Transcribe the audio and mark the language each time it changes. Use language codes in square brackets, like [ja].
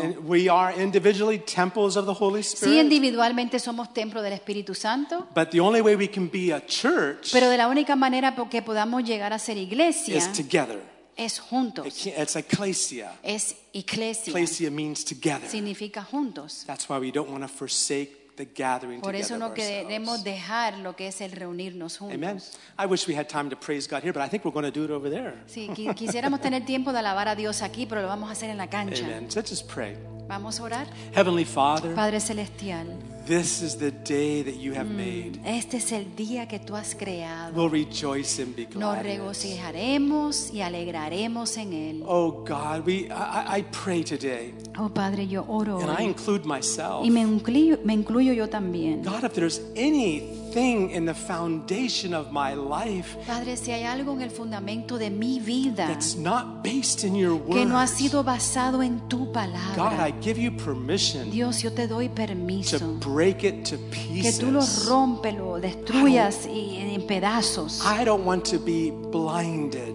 [en] And we are individually temples of the Holy Spirit. [es] Sí, individualmente somos templo del Espíritu Santo. [en] But the only way we can be a church. [es] Pero de la única manera porque podamos llegar a ser iglesia. [en] Is together. [es] Es juntos. [en] It's ecclesia. [es] Es iglesia. [en] Ecclesia means together. [es] Significa juntos. [en] That's why we don't want to forsake the gathering [es] por eso [en] together [es] no [en] ourselves. [es] Queremos dejar lo que es el reunirnos juntos. [en] Amen. I wish we had time to praise God here, but I think we're going to do it over there. [es] Sí, quisiéramos tener tiempo de alabar a Dios aquí, pero lo vamos a hacer en la cancha. [en] Amen. So let's just pray. [es] Vamos a orar. [en] Heavenly Father. [es] Padre celestial. [en] This is the day that you have made. [es] Este es el día que tú has creado. [en] We'll rejoice and be glad. [es] Nos regocijaremos y alegraremos en él. [en] Oh God, I pray today. [es] Oh Padre, yo oro. [en] And I include myself. [es] Y me incluyo yo también. [en] God, if there's anything in the foundation of my life. [es] Padre, si hay algo en el fundamento de mi vida. [en] That's not based in your word. [es] Que no ha sido basado en tu palabra. [en] God, I give you permission. [es] Dios, yo te doy permiso. [en] Break it to pieces. [es] Que tú lo rompes, lo destruyas y en pedazos. [en] I don't want to be blinded.